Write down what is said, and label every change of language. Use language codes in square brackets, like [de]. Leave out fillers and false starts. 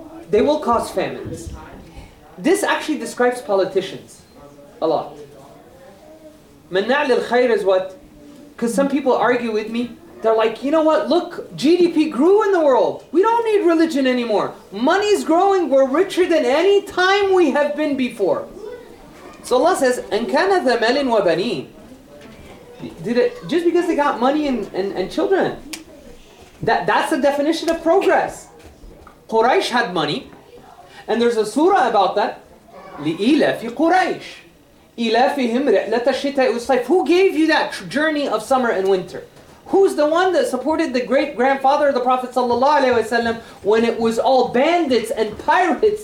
[en] They will cause famines. This actually describes politicians a lot. [ar] مناع للخير [en] is what? Because some people argue with me. They're like, you know what? Look, GDP grew in the world. We don't need religion anymore. Money's growing. We're richer than any time we have been before. So Allah says, [ar] أن كان ذا مال وبنين. [en] Did it just because they got money and children? That's the definition of progress. Quraysh had money, and there's a surah about that. [ar] لِإِلَافِ قُرَيْشِ إِلَافِهِمْ رِحْلَةَ الشِّتَاءِ وَالصَّيْفِ. [en] Who gave you that journey of summer and winter? Who's the one that supported the great grandfather of the Prophet ﷺ when it was all bandits and pirates?